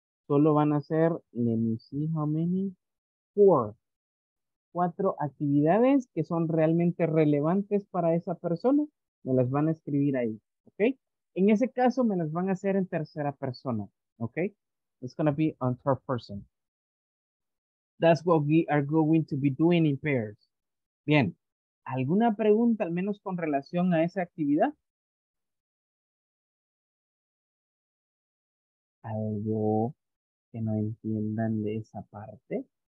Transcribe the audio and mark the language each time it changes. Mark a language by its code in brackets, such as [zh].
[es] Solo van a ser, [en] let me see how many. [es] Cuatro actividades que son realmente relevantes para esa persona. Me las van a escribir ahí. Ok. En ese caso, me las van a hacer en tercera persona. [en] Ok. It's going to be on third person. That's what we are going to be doing in pairs. [es] Bien. ¿Alguna pregunta, al menos con relación a esa actividad? Algo que no entiendan de esa parte.